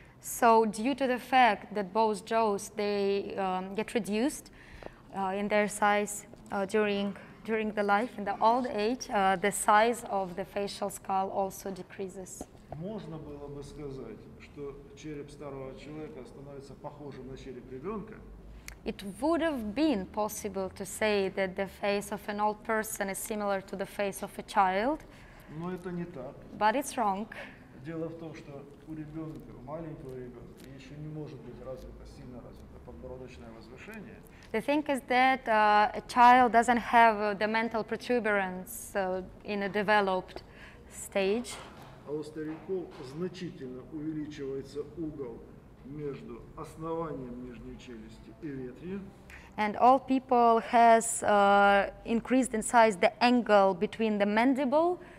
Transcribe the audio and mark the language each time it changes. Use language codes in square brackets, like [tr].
[en] So due to the fact that both jaws, they get reduced in their size during the life, in the old age, the size of the facial skull also decreases. [ru] Можно было бы сказать, что череп старого человека становится похожим на череп ребенка. [en] It would have been possible to say that the face of an old person is similar to the face of a child. [ru] Но это не так. [en] But it's wrong. [ru] Дело в том, что у ребенка, у маленького ребенка, еще не может быть развито, сильно развито подбородочное возвышение. [en] The thing is that a child doesn't have the mental protuberance in a developed stage. [ru] А у стариков значительно увеличивается угол между основанием нижней челюсти и ветвью. [en] And all people has increased in size the angle between the mandible.